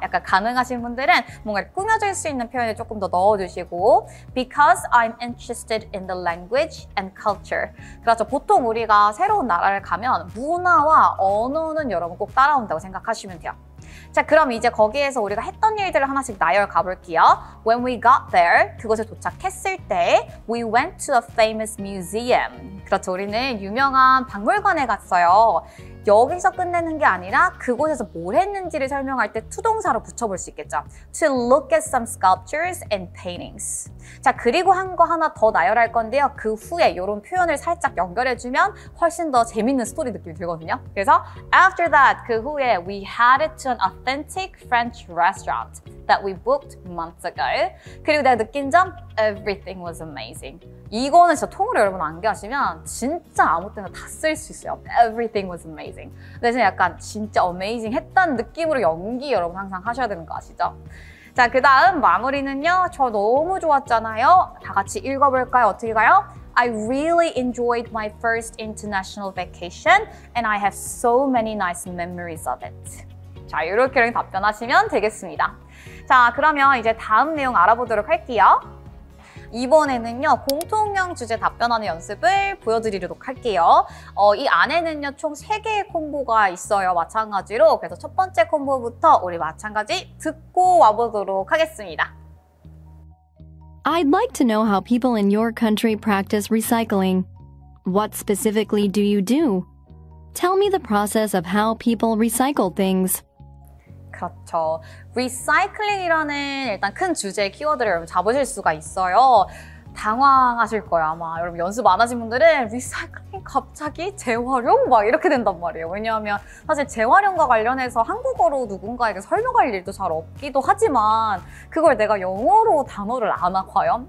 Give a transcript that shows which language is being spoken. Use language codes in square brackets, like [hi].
[ko] 약간 가능하신 분들은 뭔가 꾸며질 수 있는 표현을 조금 더 넣어주시고 [en] Because I'm interested in the language and culture. [ko] 그렇죠. 보통 우리가 새로운 나라를 가면 문화와 언어는 여러분 꼭 따라온다고 생각하시면 돼요. 자, 그럼 이제 거기에서 우리가 했던 일들을 하나씩 나열 가볼게요. [en] When we got there, [ko] 그곳에 도착했을 때 [en] We went to a famous museum. [ko] 그렇죠, 우리는 유명한 박물관에 갔어요. 여기서 끝내는 게 아니라 그곳에서 뭘 했는지를 설명할 때 to 동사로 붙여볼 수 있겠죠. [en] To look at some sculptures and paintings. [ko] 자, 그리고 한 거 하나 더 나열할 건데요. 그 후에 이런 표현을 살짝 연결해주면 훨씬 더 재밌는 스토리 느낌이 들거든요. 그래서 [en] after that, [ko] 그 후에 [en] we headed to an authentic French restaurant that we booked months ago. [ko] 그리고 내가 느낀 점 [en] everything was amazing. [ko] 이거는 진짜 통으로 여러분 암기하시면 진짜 아무 때나 다 쓸 수 있어요. [en] Everything was amazing. [ko] 대신 약간 진짜 amazing 했던 느낌으로 연기 여러분 항상 하셔야 되는 거 아시죠? 자, 그 다음 마무리는요. 저 너무 좋았잖아요. 다 같이 읽어볼까요? 어떻게 가요? [en] I really enjoyed my first international vacation and I have so many nice memories of it. [ko] 자, 이렇게 답변하시면 되겠습니다. 자, 그러면 이제 다음 내용 알아보도록 할게요. 이번에는요, 공통형 주제 답변하는 연습을 보여드리도록 할게요. 이 안에는요, 총 3개의 콤보가 있어요. 마찬가지로. 그래서 첫 번째 콤보부터 우리 마찬가지 듣고 와보도록 하겠습니다. [en] I'd like to know how people in your country practice recycling. What specifically do you do? Tell me the process of how people recycle things. [ko] 그렇죠. 리사이클링이라는 일단 큰 주제의 키워드를 여러분 잡으실 수가 있어요. 당황하실 거예요, 아마. 여러분 연습 안 하신 분들은 리사이클링 갑자기 재활용? 막 이렇게 된단 말이에요. 왜냐하면 사실 재활용과 관련해서 한국어로 누군가에게 설명할 일도 잘 없기도 하지만 그걸 내가 영어로 단어를 아나 과연?